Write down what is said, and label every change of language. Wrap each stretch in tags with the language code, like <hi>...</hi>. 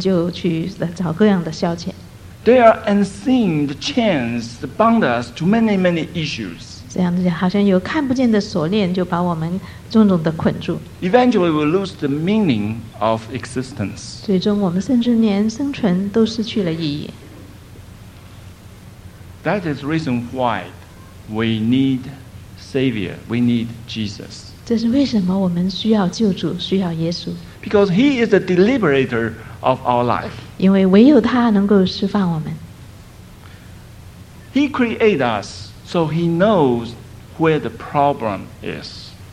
<zh>然后挑战越多的话，我们就去找各样的消遣。</zh> <en>There are unseen chains that bound us to many, many issues.</en> <zh>这样子好像有看不见的锁链，就把我们重重的捆住。</zh> <en>Eventually, we lose the meaning of existence.</en> <zh>最终，我们甚至连生存都失去了意义。</zh> <en>That is the reason why we need Savior, we need Jesus.</en> <zh>这是为什么我们需要救主，需要耶稣。</zh> <en>Because He is the deliberator of our life.</en> <zh>因为唯有他能够释放我们。</zh> <en>He created us, so He knows where the problem is.</en>